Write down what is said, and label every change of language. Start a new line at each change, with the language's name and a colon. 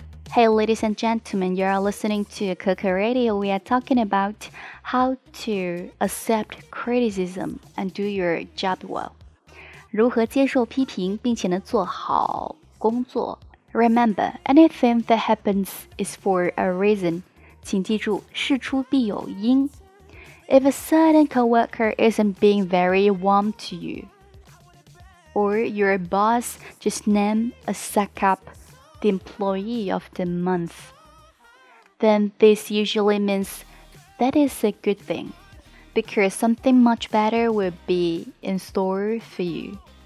English: Hey, ladies and gentlemen, you are listening to Coco Radio. We are talking about how to accept criticism and do your job well.
Chinese: 如何接受批评并且做好工作。
English: Remember, anything that happens is for a reason.
Chinese: 请记住,事出必有因。
English: If a certain coworker isn't being very warm to you, or your boss just named a suck up the employee of the month, then this usually means that is a good thing, because something much better will be in store for you.